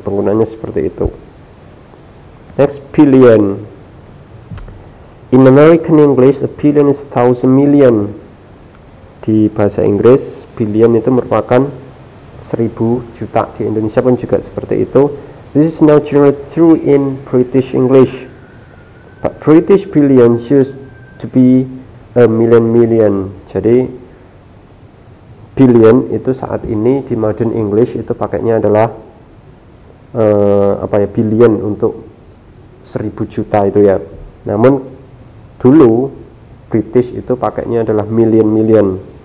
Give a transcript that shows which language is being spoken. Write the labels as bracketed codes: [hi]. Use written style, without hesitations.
[id] Penggunanya seperti itu. [en] Next, billion. In American English, a billion is 1000 million. [id] Di bahasa Inggris, billion itu merupakan 1000 juta. Di Indonesia pun juga seperti itu. [en] This is now generally true in British English. But British billion used to be a million-million. [id] Jadi billion itu saat ini di modern English itu pakainya adalah billion untuk 1000 juta itu ya. Namun dulu British itu pakainya adalah million-million.